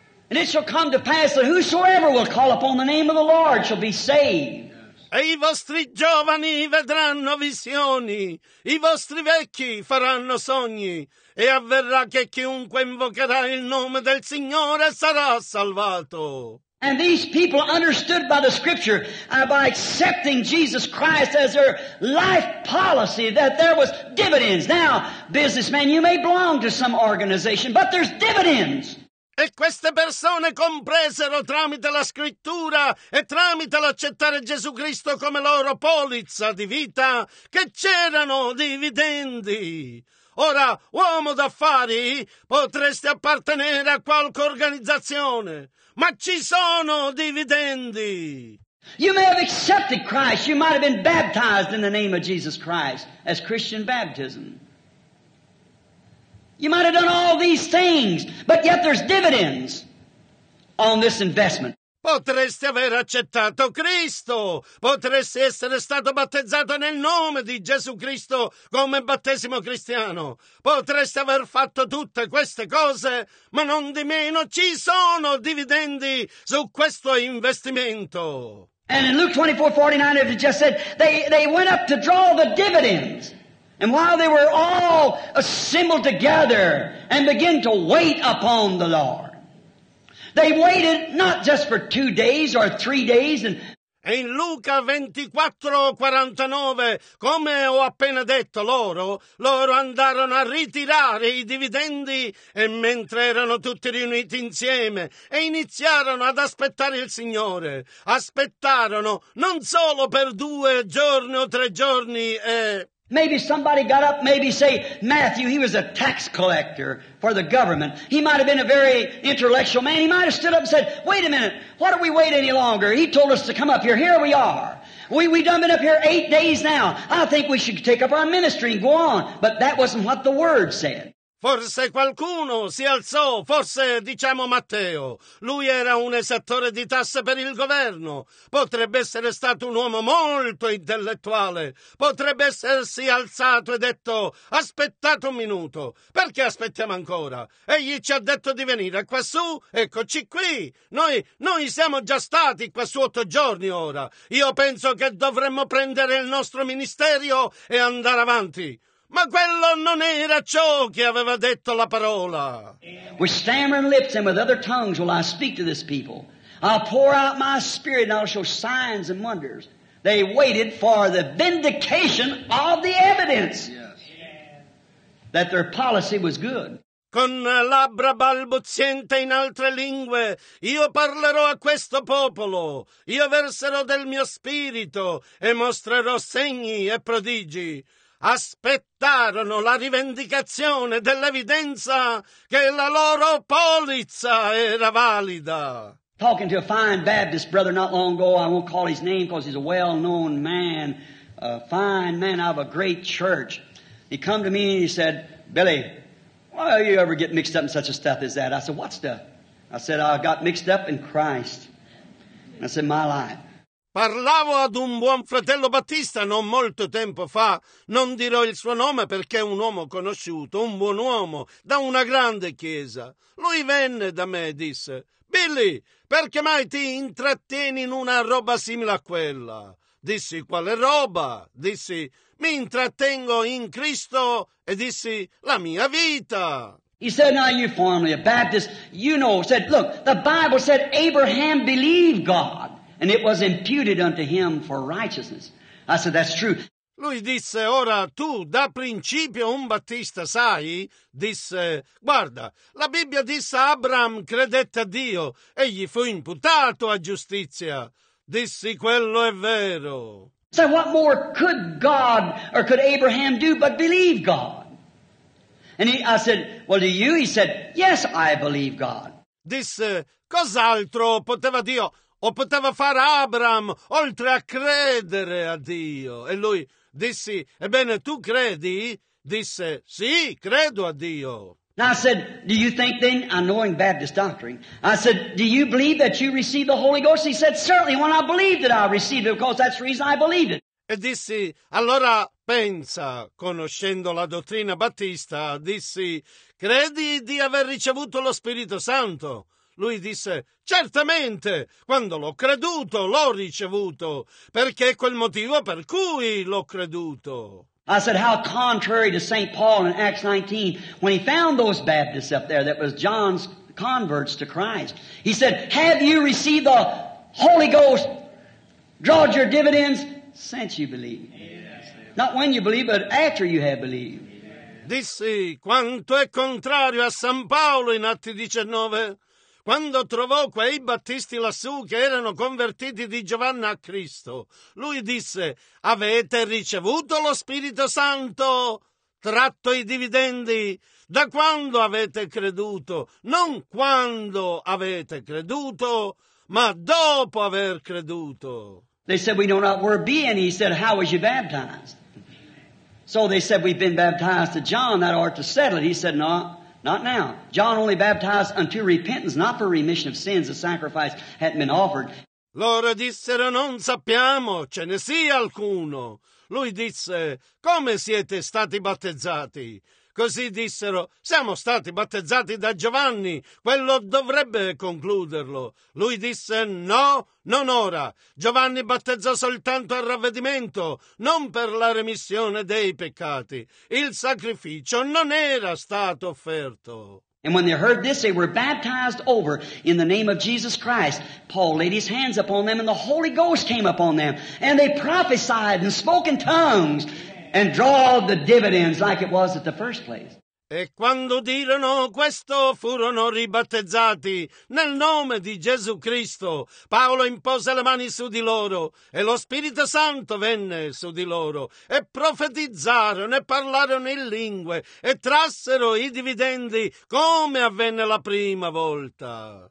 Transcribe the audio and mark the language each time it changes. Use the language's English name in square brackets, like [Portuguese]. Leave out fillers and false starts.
[English] And it shall come to pass that whosoever will call upon the name of the Lord shall be saved." [Italian] E i vostri giovani vedranno visioni, i vostri vecchi faranno sogni, e avverrà che chiunque invocherà il nome del Signore sarà salvato. [English] And these people understood by the scripture, by accepting Jesus Christ as their life policy, that there was dividends. Now, businessman, you may belong to some organization, but there's dividends. [Italian] E queste persone compresero tramite la scrittura e tramite l'accettare Gesù Cristo come loro polizza di vita che c'erano dividendi. Ora, uomo d'affari, potresti appartenere a qualche organizzazione, ma ci sono dividendi. [English] You may have accepted Christ. You might have been baptized in the name of Jesus Christ as Christian baptism. You might have done all these things, but yet there's dividends on this investment. [Italian] Potresti aver accettato Cristo, potresti essere stato battezzato nel nome di Gesù Cristo come battesimo cristiano, potresti aver fatto tutte queste cose, ma non di meno ci sono dividendi su questo investimento. [English] And in Luke 24:49, it just said they went up to draw the dividends. And while they were all assembled together and began to wait upon the Lord, they waited not just for 2 days or 3 days. And [Italian] in Luca 24:49, come ho appena detto loro andarono a ritirare i dividendi e mentre erano tutti riuniti insieme e iniziarono ad aspettare il Signore, aspettarono non solo per 2 giorni o 3 giorni e... [English] Maybe somebody got up, maybe say, Matthew, he was a tax collector for the government. He might have been a very intellectual man. He might have stood up and said, wait a minute, why don't we wait any longer? He told us to come up here. Here we are. We've done been up here 8 days now. I think we should take up our ministry and go on. But that wasn't what the Word said. [Italian] Forse qualcuno si alzò, forse diciamo Matteo. Lui era un esattore di tasse per il governo. Potrebbe essere stato un uomo molto intellettuale. Potrebbe essersi alzato e detto, aspettate un minuto, perché aspettiamo ancora? Egli ci ha detto di venire quassù, eccoci qui. Noi siamo già stati quassù 8 giorni ora. Io penso che dovremmo prendere il nostro ministero e andare avanti. Ma quello non era ciò che aveva detto la parola. [English] With stammering lips and with other tongues will I speak to this people. I'll pour out my spirit and I'll show signs and wonders. They waited for the vindication of the evidence. Yes. That their policy was good. [Italian] Con labbra balbuziente in altre lingue, io parlerò a questo popolo, io verserò del mio spirito e mostrerò segni e prodigi. Aspettarono la rivendicazione dell'evidenza che la loro polizza era valida. [English] Talking to a fine Baptist brother not long ago, I won't call his name because he's a well-known man, a fine man of a great church. He come to me and he said, Billy, why do you ever get mixed up in such a stuff as that? I said, what stuff? I said, I got mixed up in Christ. And I said, my life. [Italian] Parlavo ad un buon fratello Battista non molto tempo fa, non dirò il suo nome perché è un uomo conosciuto, un buon uomo, da una grande chiesa. Lui venne da me e disse, Billy, perché mai ti intrattieni in una roba simile a quella? Dissi, quale roba? Dissi, mi intrattengo in Cristo e dissi, la mia vita. [English] He said, now you formerly a Baptist, you know, said, look, the Bible said Abraham believed God. And it was imputed unto him for righteousness. I said, that's true. [Italian] Lui disse, ora tu, da principio un battista, sai? Disse, guarda, la Bibbia disse Abraham credette a Dio e gli fu imputato a giustizia. Dissi, quello è vero. [English] So what more could God or could Abraham do but believe God? And I said, well, do you? He said, yes, I believe God. [Italian] Disse, cos'altro poteva Dio... O poteva fare Abram oltre a credere a Dio? E lui disse, ebbene, tu credi? Disse, sì, credo a Dio. [English] Now I said, do you think then, I know in Baptist doctrine, I said, do you believe that you received the Holy Ghost? He said, certainly, when I believed that I received it, because that's the reason I believed it. [Italian] E dissi, allora pensa, conoscendo la dottrina battista, dissi, credi di aver ricevuto lo Spirito Santo? Lui disse, certamente, quando l'ho creduto, l'ho ricevuto, perché è quel motivo per cui l'ho creduto. [English] I said, how contrary to St. Paul in Acts 19, when he found those Baptists up there that was John's converts to Christ. He said, have you received the Holy Ghost, drawed your dividends since you believe? Not when you believe, but after you have believed. [Italian] Dissi, quanto è contrario a San Paolo in Atti 19? Quando trovò quei battisti lassù che erano convertiti di Giovanna a Cristo, lui disse, avete ricevuto lo Spirito Santo, tratto i dividendi, da quando avete creduto, non quando avete creduto, ma dopo aver creduto. [English] They said, we know not where be, and he said, how was you baptized? So they said, we've been baptized to John, that ought to settle it. He said, no. Not now. John only baptized unto repentance, not for remission of sins. The sacrifice hadn't been offered. [Italian] Loro dissero, non sappiamo, ce ne sia alcuno. Lui disse, come siete stati battezzati? Così dissero, siamo stati battezzati da Giovanni, quello dovrebbe concluderlo. Lui disse, no, non ora. Giovanni battezzò soltanto al ravvedimento, non per la remissione dei peccati. Il sacrificio non era stato offerto. [English] And when they heard this, they were baptized over in the name of Jesus Christ. Paul laid his hands upon them, and the Holy Ghost came upon them. And they prophesied and spoke in tongues. And draw the dividends like it was at the first place. [Italian] E quando dirono questo, furono ribattezzati nel nome di Gesù Cristo. Paolo impose le mani su di loro e lo Spirito Santo venne su di loro e profetizzarono e parlarono in lingue e trassero i dividendi come avvenne la prima volta.